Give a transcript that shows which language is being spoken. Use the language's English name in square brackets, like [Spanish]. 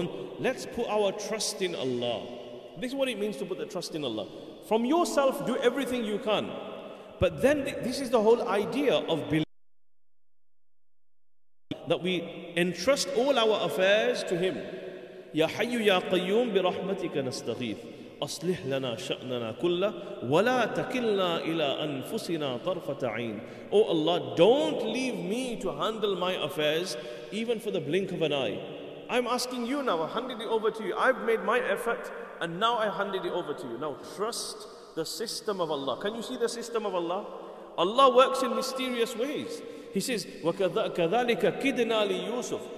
[English] And let's put our trust in Allah. This is what it means to put the trust in Allah. From yourself, do everything you can. But then this is the whole idea of belief, that we entrust all our affairs to Him. [Arabic] Ya Hayyu Ya Qayyum bi rahmatika nastaghith. أصلح لنا شأننا كله ولا تكلنا إلى أنفسنا طرفة عين. [English] Oh Allah, don't leave me to handle my affairs even for the blink of an eye. I'm asking you now, I've handed it over to you. I've made my effort and now I handed it over to you. Now trust the system of Allah. Can you see the system of Allah? Allah works in mysterious ways. He says, [Arabic] وَكَذَلِكَ كِدْنَا لِيُوسُفْ.